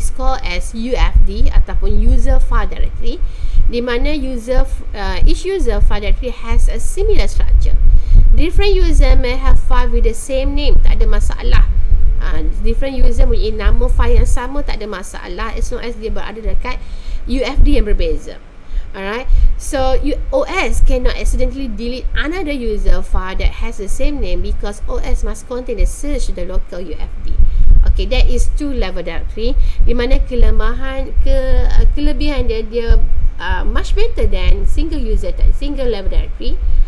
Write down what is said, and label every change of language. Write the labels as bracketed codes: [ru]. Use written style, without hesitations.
[en] It's called as UFD ataupun user file directory. [ms] Di mana [en] user each user file directory has a similar structure. Different user may have file with the same name. [ms] Tak ada masalah. [en] Different user [ms] punya nama file yang sama tak ada masalah [en] as long as [ms] dia berada dekat UFD yang berbeza. [en] Alright, so OS cannot accidentally delete another user file that has the same name because OS must contain the search to the local UFD. Okay, that is two level directory. [ms] Di mana kelebihan dia [en] much better than single user, single level directory.